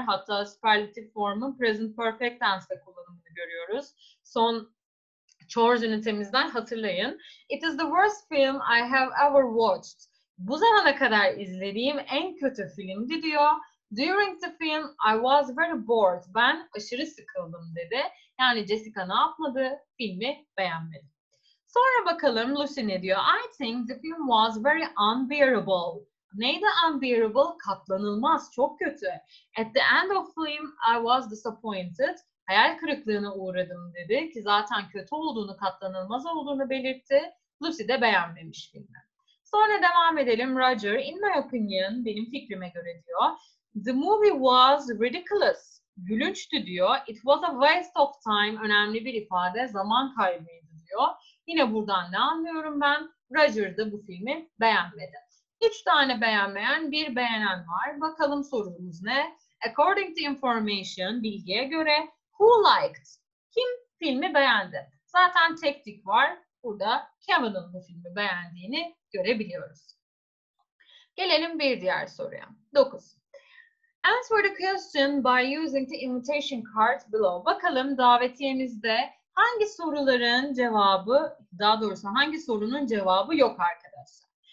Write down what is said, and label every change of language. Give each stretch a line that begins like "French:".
Turkish: Hatta superlative form'un present perfect tense'de kullanımını görüyoruz. Son chores ünitemizden hatırlayın.
English: It is the worst film I have ever watched.
Turkish: Bu zamana kadar izlediğim en kötü filmdi diyor.
English: During the film I was very bored.
Turkish: Ben aşırı sıkıldım dedi. Yani Jessica ne yapmadı? Filmi beğenmedi. Sonra bakalım Lucy ne diyor?
English: I think the film was very unbearable. Neydi unbearable?
Turkish: Katlanılmaz, çok kötü.
English: At the end of film I was disappointed.
Turkish: Hayal kırıklığına uğradım dedi ki zaten kötü olduğunu, katlanılmaz olduğunu belirtti. Lucy de beğenmemiş filmi. Sonra devam edelim. Roger,
English: in my opinion,
Turkish: benim fikrime göre diyor.
English: The movie was ridiculous.
Turkish: Gülünçtü diyor.
English: It was a waste of time.
Turkish: Önemli bir ifade, zaman kaybıydı diyor. Yine buradan ne anlıyorum ben? Roger da bu filmi beğenmedi. 3 tane beğenmeyen, 1 beğenen var. Bakalım sorumuz ne?
English: According to information,
Turkish: bilgiye göre,
English: who liked?
Turkish: Kim filmi beğendi? Zaten tek tik var. Burada Kevin'ın bu filmi beğendiğini görebiliyoruz. Gelelim bir diğer soruya. 9.
English: Answer the question by using the invitation card below.
Turkish: Bakalım davetiyemizde hangi soruların cevabı, daha doğrusu hangi sorunun cevabı yok arkadaşlar.